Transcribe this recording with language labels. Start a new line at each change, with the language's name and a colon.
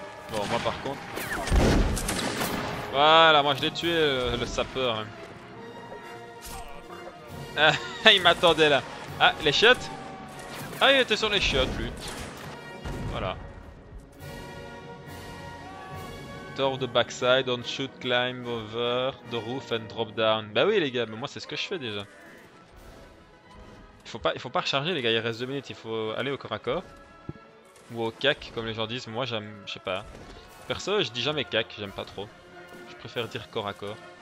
French: Bon, moi par contre. Voilà, moi je l'ai tué le sapeur. Ah, il m'attendait là. Ah, les chiottes? Ah, il était sur les chiottes, lui. Voilà.
English: Door of the backside, don't shoot, climb over the roof and drop down.
French: Bah oui, les gars, mais moi, c'est ce que je fais déjà. Il faut pas recharger, les gars, il reste 2 minutes. Il faut aller au corps à corps. Ou au cac, comme les gens disent. Moi, j'aime. Je sais pas. Perso, je dis jamais cac, j'aime pas trop. Je préfère dire corps à corps.